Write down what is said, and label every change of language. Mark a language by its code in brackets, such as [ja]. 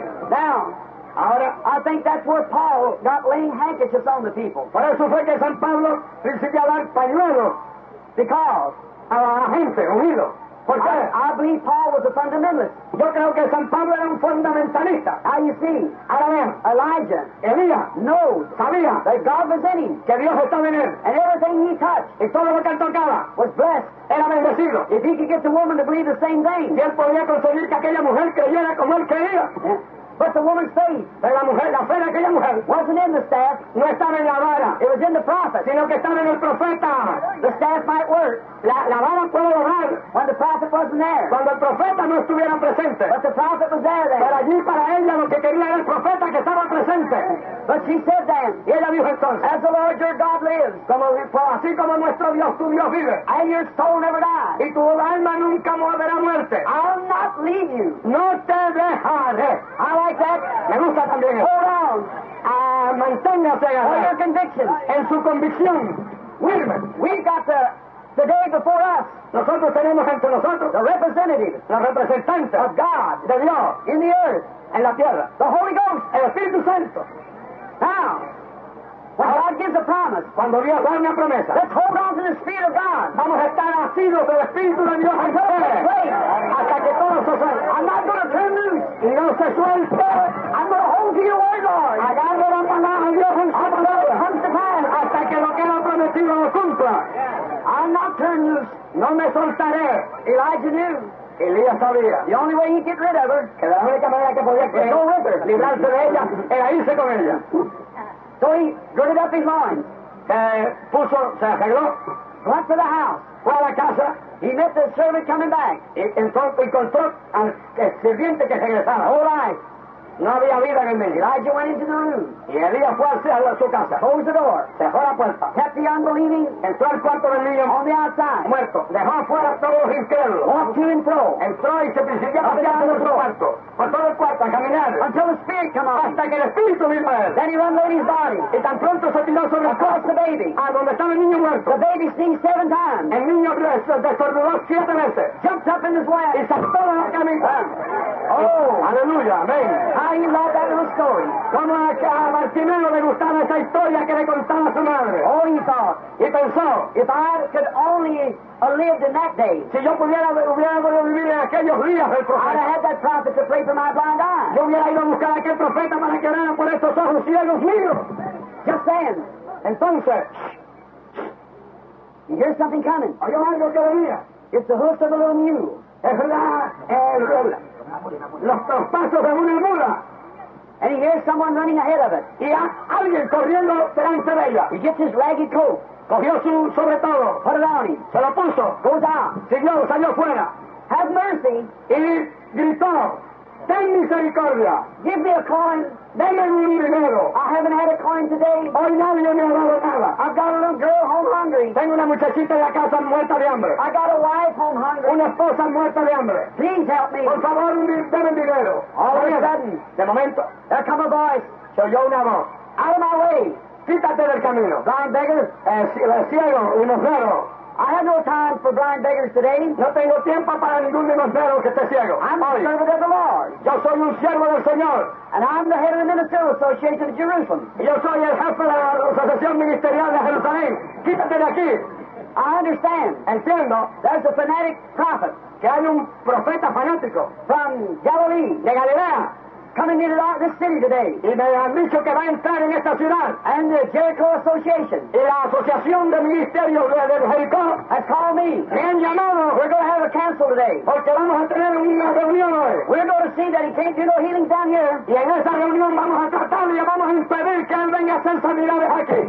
[en] Now, I think that's where Paul got laying handkerchiefs on the people. [es] Por eso fue que San Pablo principió a dar pañuelos. [en] Because? [es] A la gente, unido. ¿Por qué? [en] I believe Paul was a fundamentalist. [es] Yo creo que San Pablo era un fundamentalista. [en] Now you see. [es] Ahora bien. [en] Elijah. [es] Elías. [en] Knows. [es] Sabía. [en] That God was in him. [es] Que Dios estaba en él. [en] And everything he touched. [es] Y todo lo que él tocaba. [en] Was blessed. [es] Era bendecido. [en] If he could get the woman to believe the same thing. [es] Si él podía conseguir que aquella mujer creyera como él creía. [en] But the woman's faith. [es] La mujer, la fe de aquella mujer. [en] Wasn't in the staff. [es] No estaba en la vara. [en] It was in the prophet. [es] Sino que estaba en el profeta. [en] The staff might work. [es] La vara puede lograr. [en] When the prophet wasn't there. [es] Cuando el profeta no estuviera presente. [en] But the prophet was there then. [es] Pero allí para ella lo que quería era el profeta que estaba presente. [en] But she said then. [es] Y ella dijo entonces. [en] As the Lord your God lives. [es] Así como nuestro Dios, tu Dios vive. [en] And your soul never dies. [es] Y tu alma nunca morirá muerte. [en] I'll not leave you. [es] No te dejaré. Me gusta también. [en] Hold on. [es] Manténgase [en] allá. Hold your conviction. [es] En su convicción. [en] We've got the day before us. [es] Nosotros tenemos ante nosotros. [en] The representative. [es] La representante. [en] Of God. [es] De Dios. [en] In the earth. [es] En la tierra. [en] The Holy Ghost. [es] El Espíritu Santo. [en] Now. When God gives a promise, [es] cuando Dios da una promesa, [en] let's hold on to the Spirit of God. [es] Vamos a estar asidos del Espíritu de Dios en fe. Hasta que todo se suelte. [en] I'm not going to turn loose. [es] Y no se suelte. [en] I'm going to hold to your word, Lord. [es] Agarro la palabra de Dios en su palabra. [en] Until it comes to pass. [es] Hasta que lo que ha prometido lo cumpla. [en] Yeah. I'm not turn loose. [es] No me soltaré. [en] Elijah knew. [es] Elías sabía. [en] The only way he'd get rid of her. [es] Que la única manera que podía que [en] go with her. [es] Librarse de ella. Era irse con ella. [en] So he girded up his loins. [es] Se arregló. [en] Went to the house. [es] Fue a la casa. [en] He met the servant coming back. [es] Encontró al sirviente que regresaba. [en] All right. [es] No había vida en el medio. [en] Elijah went into the room. [es] Y Elías fue hacia su casa. [en] Closed the door. [es] Cerró la puerta. [en] Kept the unbelieving. [es] Entró al cuarto del niño. [en] On the outside. [es] Muerto. Dejó afuera todos los incrédulos. [en] Walked to and fro. [es] Entró y se principió a pasear por todo el cuarto. Por todo el cuarto a caminar. [en] Until the spirit came on. [es] Hasta que el espíritu vino a él. [en] Then he ran lady's body. [es] Y tan pronto se tiró sobre [en] across the baby. [es] A donde estaba el niño muerto. [en] The baby sneezed 7 times. [es] El niño desordenó 7 veces. [en] Jumped up in his way. [es] Y saltó a la camisa. [en] Oh, [es] aleluya, amén. [en] How he loved that little story. [es] Como a Bartimeo le gustaba esa historia que le contaba su madre. [en] Oh, he thought. [es] Y pensó. [en] If I could only have lived in that day. [es] Si yo hubiera podido vivir en aquellos días del profeta. [en] I'd have had that prophet to pray for my blind eyes. [es] Yo hubiera ido a buscar a aquel profeta para que orara por estos ojos ciegos míos. [en] Just then. [es] Entonces. [en] You hear something coming. [es] Oye algo que venía. [en] It's the hoofs of a little mule. [es] Es la el los pasos de una mula. [en] And he hears someone running ahead of it. [es] Y alguien corriendo delante de ella. [en] He gets his ragged coat. [es] Cogió su sobre todo. [en] Put it on him. [es] Se lo puso. [en] Goes out. [es] Siguió, salió fuera. [en] Have mercy. [es] Y gritó. Ten misericordia. [en] Give me a coin. [es] Deme un dinero. [en] I haven't had a coin today. [es] Hoy nadie me ha dado nada. [en] I've got a little girl home hungry. [es] Tengo una muchachita en la casa muerta de hambre. [en] I got a wife home hungry. [es] Una esposa muerta de hambre. [en] Please help me. [es] Por favor, deme dinero. [en] All of a sudden. [es] De momento. [en] There come a voice. [es] Se oyó una voz. [en] Out of my way. [es] Quítate del camino. [en] Blind beggar. [es] Ciego, limosnero. [en] I have no time for blind beggars today. [es] No tengo tiempo para ningún limosnero que esté ciego. [en] I'm a servant of the Lord. [es] Yo soy un siervo del Señor. [en] And I'm the head of the Ministerial Association of Jerusalem. [es] Yo soy el jefe de la Asociación Ministerial de Jerusalén. Quítate de aquí. [en] I understand. [es] Entiendo. [en] There's a fanatic prophet. [es] Que hay un profeta fanático. [en] From Galilee. [es] De Galilea. [en] Coming into this city today. [es] Y me han dicho que va a entrar en esta ciudad. [en] And the Jericho Association. [es] Y la Asociación de Ministerio de Jericó. [en] Has called me. [es] Me han llamado. [en] We're going to have a council today. [es] Porque vamos a tener una reunión hoy. [en] We're going to see that he can't do no healings down here. [es] Y en esa reunión vamos a tratarle y vamos a impedir que él venga a hacer sanidades aquí.